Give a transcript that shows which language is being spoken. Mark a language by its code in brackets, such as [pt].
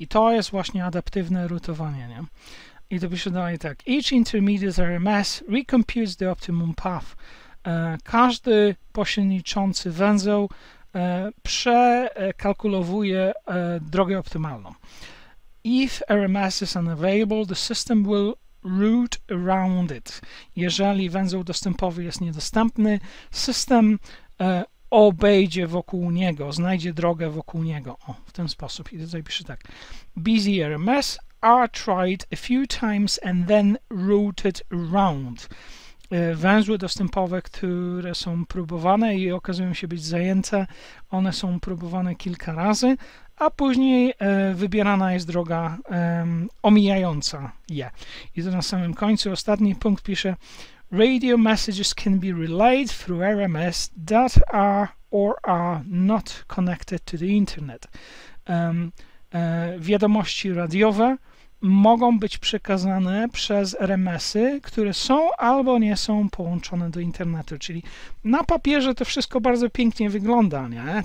[pl] I to jest właśnie adaptywne routowanie, nie? I to pisze dalej tak. [en] Each intermediate RMS recomputes the optimum path. [pl] Każdy pośredniczący węzeł przekalkulowuje drogę optymalną. [en] If RMS is unavailable, the system will route around it. [pl] Jeżeli węzeł dostępowy jest niedostępny, system obejdzie wokół niego, znajdzie drogę wokół niego. O, w ten sposób. I tutaj pisze tak. [en] Busy RMS are tried a few times and then routed round. [pl] Węzły dostępowe, które są próbowane i okazują się być zajęte, one są próbowane kilka razy, a później wybierana jest droga omijająca je. I to na samym końcu ostatni punkt pisze. [en] Radio messages can be relayed through RMS that are or are not connected to the internet. [pl] Wiadomości radiowe mogą być przekazane przez RMS-y, które są albo nie są połączone do internetu. Czyli na papierze to wszystko bardzo pięknie wygląda, nie?